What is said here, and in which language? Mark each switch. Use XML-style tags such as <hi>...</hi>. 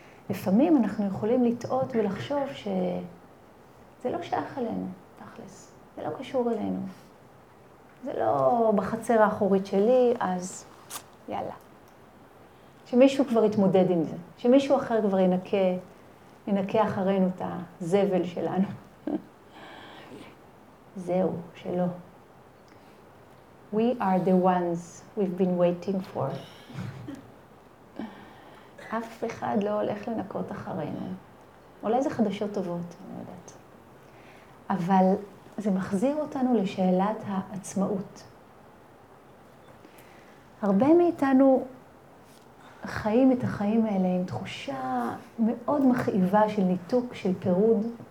<he>לפעמים אנחנו יכולים לטעות ולחשוב שזה לא שייך אלינו, תכלס, זה לא קשור אלינו. זה לא בחצר האחורית שלי, אז יאללה. שמישהו כבר יתמודד עם זה. שמישהו אחר כבר ינקה אחרינו את הזבל שלנו. זהו, שלא.</he> <en>We are the ones we've been waiting for.</en> <he>אף אחד לא הולך לנקות אחרינו. אולי זה חדשות טובות, אני יודעת. אבל זה מחזיר אותנו לשאלת העצמאות. הרבה מאיתנו חיים את החיים האלה עם תחושה מאוד מכאיבה של ניתוק, של פירוד.</he>